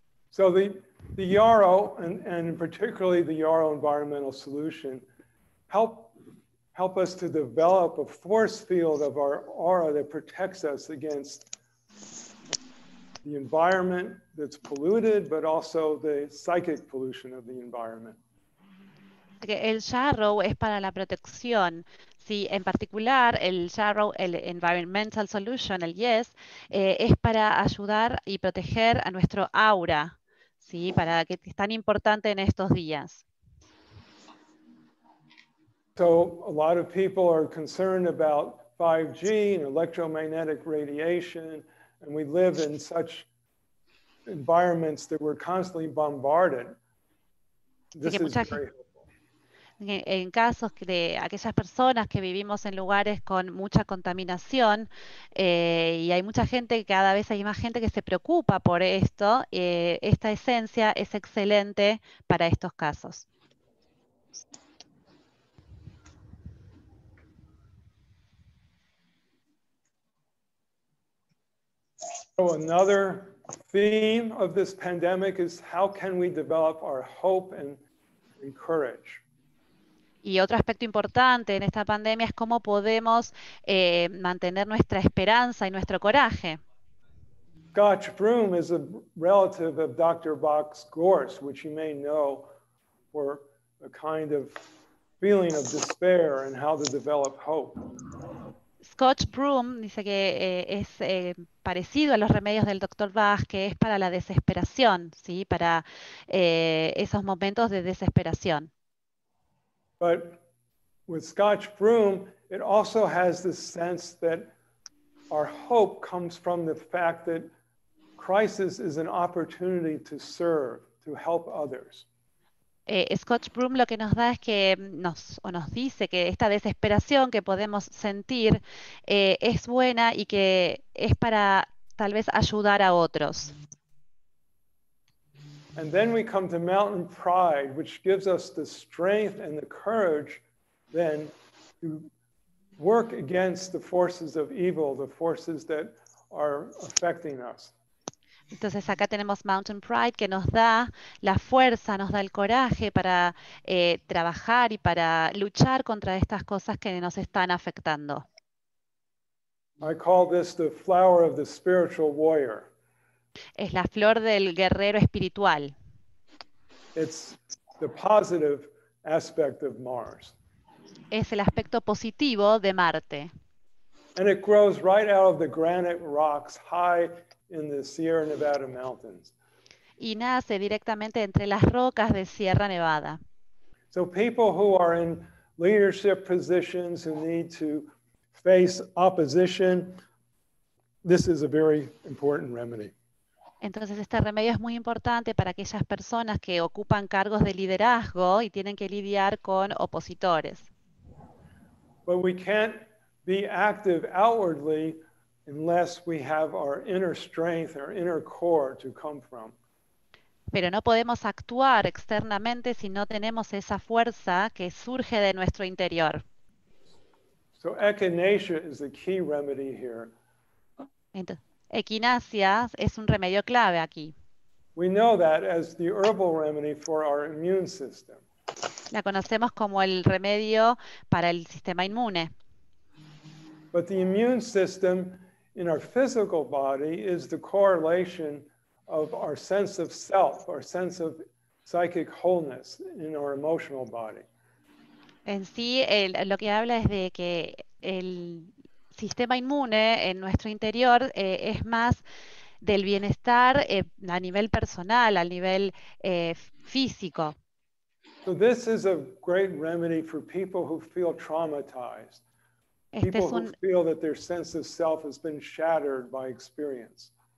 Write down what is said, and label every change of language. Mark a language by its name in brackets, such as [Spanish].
[English] So the YARO and particularly the YARO environmental solution help us to develop a force field of our aura that protects us against the environment that's polluted, but also the psychic pollution of the environment. [Spanish] El YARO es para la protección. Sí, en particular, el YARO, el Environmental Solution, el YES, es para ayudar y proteger a nuestro aura, sí, para que es tan importante en estos días. [English] So a lot of people are concerned about 5G and electromagnetic radiation, and we live in such environments that we're constantly bombarded. This is very helpful. [Spanish] En casos de aquellas personas que vivimos en lugares con mucha contaminación, y hay mucha gente, cada vez hay más gente que se preocupa por esto, esta esencia es excelente para estos casos. [English] So another theme of this pandemic is how can we develop our hope and courage. [Spanish] Y otro aspecto importante en esta pandemia es cómo podemos mantener nuestra esperanza y nuestro coraje. [English] Gotch Broom is a relative of Dr. Box Gorse, which you may know for a kind of feeling of despair and how to develop hope. [Spanish] Scotch Broom dice que es parecido a los remedios del Dr. Bach, que es para la desesperación, ¿sí? Para esos momentos de desesperación. [English] But with Scotch Broom, it also has the sense that our hope comes from the fact that crisis is an opportunity to serve, to help others. [Spanish] Scotch Broom lo que nos da es que nos dice que esta desesperación que podemos sentir es buena y que es para tal vez ayudar a otros. [English] And then we come to Mountain Pride, which gives us the strength and the courage then to work against the forces of evil, the forces that are affecting us. [Spanish] Entonces acá tenemos Mountain Pride que nos da la fuerza, nos da el coraje para trabajar y para luchar contra estas cosas que nos están afectando. [English] I call this the flower of the spiritual warrior. [Spanish] Es la flor del guerrero espiritual. [English] It's the positive aspect of Mars. [Spanish] Es el aspecto positivo de Marte. [English] And it grows right out of the granite rocks high in the Sierra Nevada mountains. [Spanish] Y nace directamente entre las rocas de Sierra Nevada. [English] So people who are in leadership positions who need to face opposition, this is a very important remedy. [Spanish] Entonces, este remedio es muy importante para aquellas personas que ocupan cargos de liderazgo y tienen que lidiar con opositores. [English] But we can't be active outwardly unless we have our inner strength, our inner core to come from. [Spanish] Pero no podemos actuar externamente si no tenemos esa fuerza que surge de nuestro interior. [English] So echinacea is the key remedy here. [Spanish] Entonces, equinacia es un remedio clave aquí. [English] We know that as the herbal remedy for our immune system. [Spanish] La conocemos como el remedio para el sistema inmune. [English] But the immune system in our physical body is the correlation of our sense of self, our sense of psychic wholeness in our emotional body. [Spanish] En sí, lo que habla es de que el sistema inmune en nuestro interior es más del bienestar a nivel personal, a nivel físico. [English] So this is a great remedy for people who feel traumatized. [Spanish] Este [English] People who feel that their sense of self has been shattered by experience.